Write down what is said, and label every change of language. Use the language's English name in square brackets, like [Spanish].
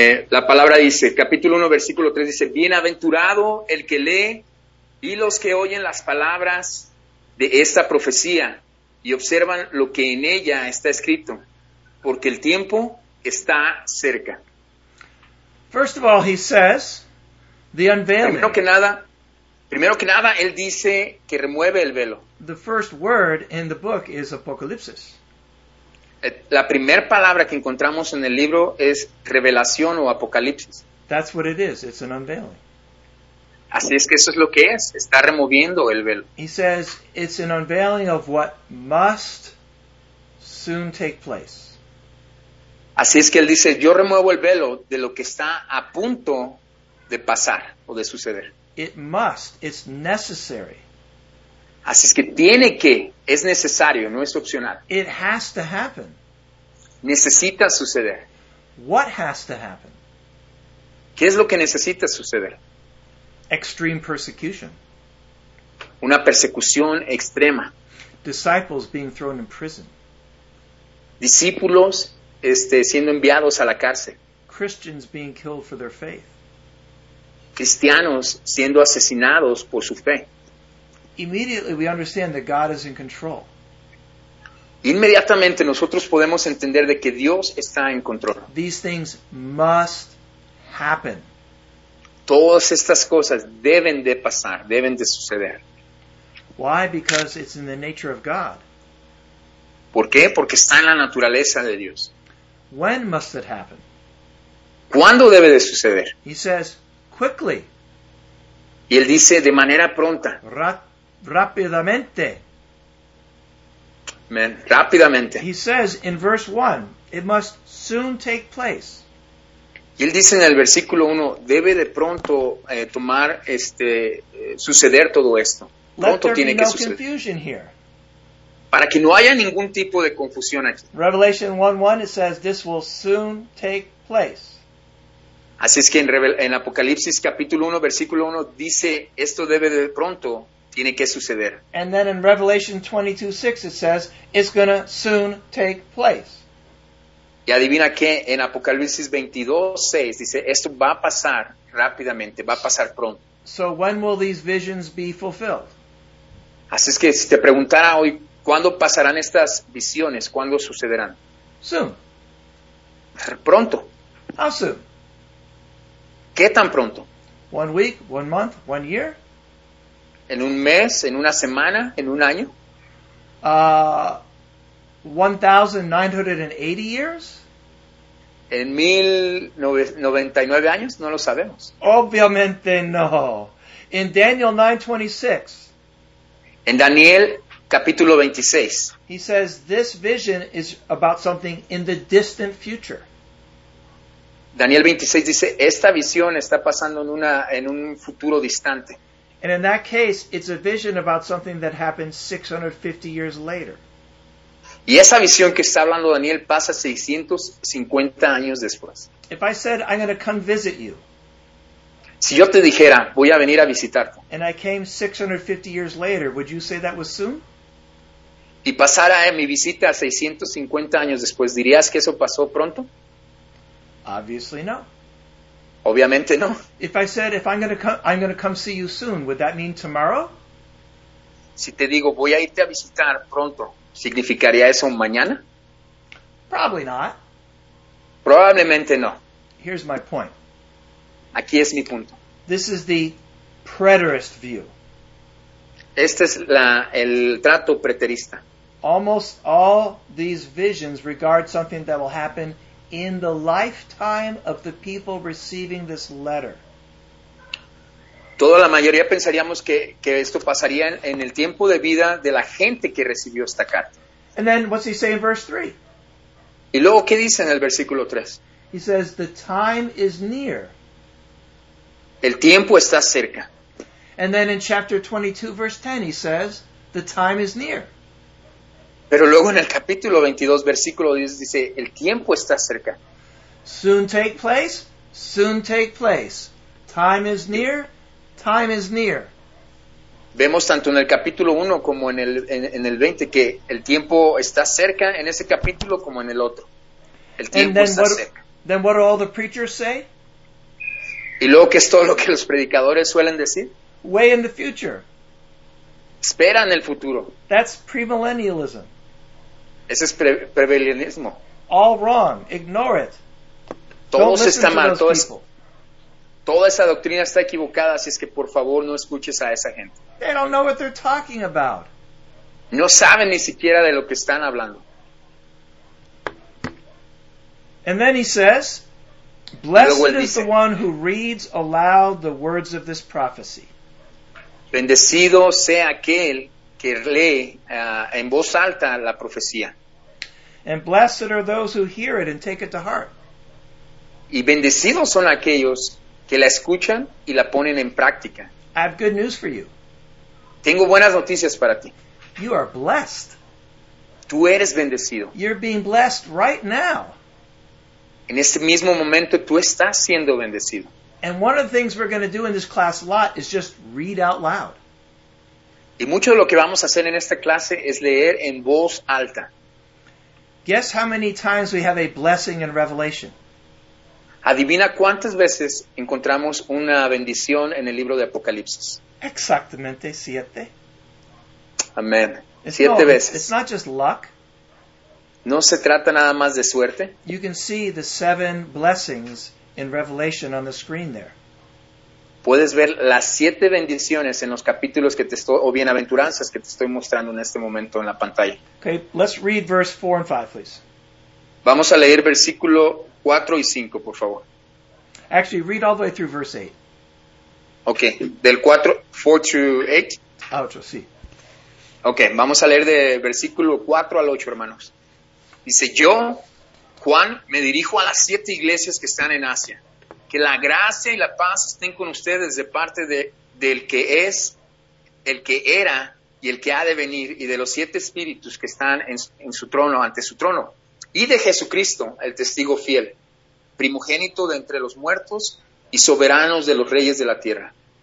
[Spanish] La palabra dice, capítulo 1, versículo 3 dice: bienaventurado el que lee y los que oyen las palabras de esta profecía y observan lo que en ella está escrito, porque el tiempo está cerca. [English] First of all, he says, the unveiling. [Spanish] Primero que nada, él dice que remueve el velo. [English] The first word in the book is Apocalipsis. [Spanish] La primera palabra que encontramos en el libro es revelación o apocalipsis. [English] That's what it is. It's an unveiling. [Spanish] Así es que eso es lo que es. Está removiendo el velo. [English] He says it's an unveiling of what must soon take place. [Spanish] Así es que él dice, yo remuevo el velo de lo que está a punto de pasar o de suceder. [English] It must. It's necessary. [Spanish] Así es que tiene que, es necesario, no es opcional. [English] It has to happen. [Spanish] Necesita suceder. [English] What has to happen? [Spanish] ¿Qué es lo que necesita suceder? [English] Extreme persecution. [Spanish] una persecución extrema. [English] Disciples being thrown in prison. [Spanish] Discípulos siendo enviados a la cárcel. [English] Christians being killed for their faith. [Spanish] Cristianos siendo asesinados por su fe. [English] Immediately we understand that God is in control. [Spanish] Inmediatamente nosotros podemos entender de que Dios está en control. [English] These things must happen. [Spanish] Todas estas cosas deben de pasar, deben de suceder. [English] Why? Because it's in the nature of God. [Spanish] ¿Por qué? Porque está en la naturaleza de Dios. [English] When must it happen? [Spanish] ¿Cuándo debe de suceder? [English] He says, quickly. [Spanish] Y él dice, de manera pronta. Rápidamente. Rápidamente. [English] He says in verse 1, it must soon take place. [Spanish] Y él dice en el versículo 1, debe de pronto tomar suceder todo esto. Pronto tiene que suceder. Para que no haya ningún tipo de confusión aquí. [English] Revelation 1:1 it says this will soon take place. [Spanish] Así es que en Apocalipsis capítulo 1 versículo 1 dice esto debe de pronto tiene que suceder. [English] And then in Revelation 22:6 it says it's going to soon take place. [Spanish] Y adivina qué, en Apocalipsis 22:6 dice esto va a pasar rápidamente, va a pasar pronto. [English] So when will these visions be fulfilled? [Spanish] Así es que si te preguntara hoy ¿cuándo pasarán estas visiones? ¿Cuándo sucederán? [English] Soon. [Spanish] Pronto. [English] How soon? [Spanish] ¿Qué tan pronto? [English] One week, one month, one year. [Spanish] ¿En un mes, en una semana, en un año? [English] 1,980 years. [Spanish] ¿En 1,099 años? No lo sabemos. Obviamente no. En Daniel 9:26. En Daniel capítulo 26. [English] He says this vision is about something in the distant future. [Spanish] Daniel 26 dice, esta visión está pasando en un futuro distante. [English] And in that case, it's a vision about something that happened 650 years later. [Spanish] Y esa visión que está hablando Daniel pasa 650 años después. [English] If I said, I'm going to come visit you. [Spanish] Si yo te dijera, voy a venir a visitarte. [English] And I came 650 years later, would you say that was soon? [Spanish] Y pasara mi visita 650 años después, ¿dirías que eso pasó pronto? [English] Obviously no. [Spanish] Obviamente no. [English] If I said, if I'm going to come see you soon, would that mean tomorrow? [Spanish] Si te digo, voy a irte a visitar pronto, ¿significaría eso mañana? [English] Probably not. [Spanish] Probablemente no. [English] Here's my point. [Spanish] Aquí es mi punto. [English] This is the preterist view. [Spanish] Este es el trato preterista. [English] Almost all these visions regard something that will happen in the lifetime of the people receiving this letter. [Spanish] Toda la mayoría pensaríamos que esto pasaría en el tiempo de vida de la gente que recibió esta carta. [English] And then what's he say in verse 3? [Spanish] Y luego, ¿qué dice en el versículo 3? [English] He says, the time is near. [Spanish] El tiempo está cerca. [English] And then in chapter 22, verse 10, he says, the time is near. [Spanish] Pero luego en el capítulo 22, versículo 10, dice, el tiempo está cerca. [English] Soon take place, soon take place. Time is near, time is near. [Spanish] Vemos tanto en el capítulo 1 como en el 20 que el tiempo está cerca en ese capítulo como en el otro. El tiempo está cerca. [English] Then what do all the preachers say? [Spanish] Y luego, ¿qué es todo lo que los predicadores suelen decir? [English] Way in the future. [Spanish] Espera en el futuro. [English] That's premillennialism. [Spanish] Ese es premillennialismo. [English] All wrong. Ignore it. [Spanish] Todo [English] Don't [Spanish] está mal. [English] To those [Spanish] todo toda esa doctrina está equivocada, así es que por favor no escuches a esa gente. [English] They don't know what they're talking about. [Spanish] No saben ni siquiera de lo que están hablando. [English] And then he says, blessed is the one who reads aloud the words of this prophecy. [Spanish] Bendecido sea aquel que lee en voz alta la profecía. [English] And blessed are those who hear it and take it to heart. [Spanish] Y bendecidos son aquellos que la escuchan y la ponen en práctica. [English] I have good news for you. [Spanish] Tengo buenas noticias para ti. [English] You are blessed. [Spanish] Tú eres bendecido. [English] You're being blessed right now. [Spanish] En este mismo momento tú estás siendo bendecido. [English] And one of the things we're going to do in this class a lot is just read out loud. [Spanish] Y mucho de lo que vamos a hacer en esta clase es leer en voz alta. [English] Guess how many times we have a blessing in Revelation. [Spanish] Adivina cuántas veces encontramos una bendición en el libro de Apocalipsis. Exactamente siete. Amén. Siete veces. [English] It's not just luck. [Spanish] No se trata nada más de suerte. [English] You can see the seven blessings in Revelation on the screen there. [Spanish] Puedes ver las siete bendiciones en los capítulos que te estoy, o bienaventuranzas que te estoy mostrando en este momento en la pantalla. [English] Okay, let's read verse 4 and 5, please. [Spanish] Vamos a leer versículo 4 y 5, por favor. [English] Actually, read all the way through verse 8. [Spanish] Okay, del 4 to 8. Ocho, sí. Okay, vamos a leer de versículo 4 al 8, hermanos. Dice, yo, Juan, me dirijo a las siete iglesias que están en Asia. Que la gracia y la paz estén con ustedes de parte del que es, el que era y el que ha de venir, y de los siete espíritus que están en su trono, ante su trono, y de Jesucristo, el testigo fiel, primogénito de entre los muertos y soberanos de los reyes de la tierra.